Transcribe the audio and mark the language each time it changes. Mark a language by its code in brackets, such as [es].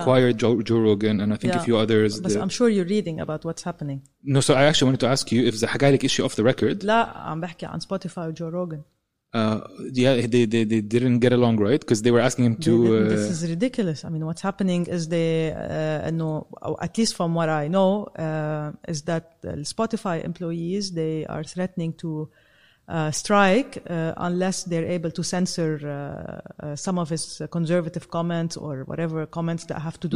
[en] They acquired Joe Rogan and I think a few others. But I'm sure you're reading about what's happening. No, so I actually wanted to ask you if [ar] حكى لك شيء [en] off the record. [ar] لا, عم بحكي عن Spotify وجو روغان. [en] They didn't get along, right? Because they were asking him to. This is ridiculous. I mean, what's happening is they, at least from what I know, is that Spotify employees, they are threatening to strike unless they're able to censor some of his conservative comments or whatever comments that have to do